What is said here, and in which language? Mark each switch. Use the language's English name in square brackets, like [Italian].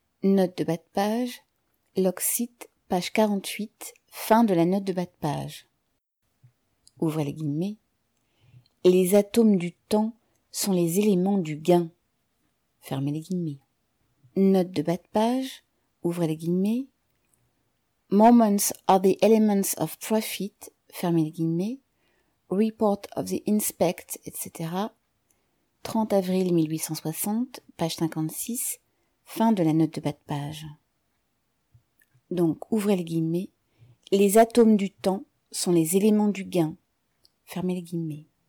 [French] Note de bas de page, l'occite, page 48, fin de la note de bas de page. Ouvrez les guillemets. Les atomes du temps sont les éléments du gain. Fermez les guillemets. Note de bas de page, ouvrez les guillemets. [English] Moments are the elements of profit. [French] Fermez les guillemets. [English] Report of the inspect, etc. [French] 30 avril 1860, page 56, fin de la note de bas de page. Donc, ouvrez les guillemets. Les atomes du temps sont les éléments du gain. Fermez les guillemets.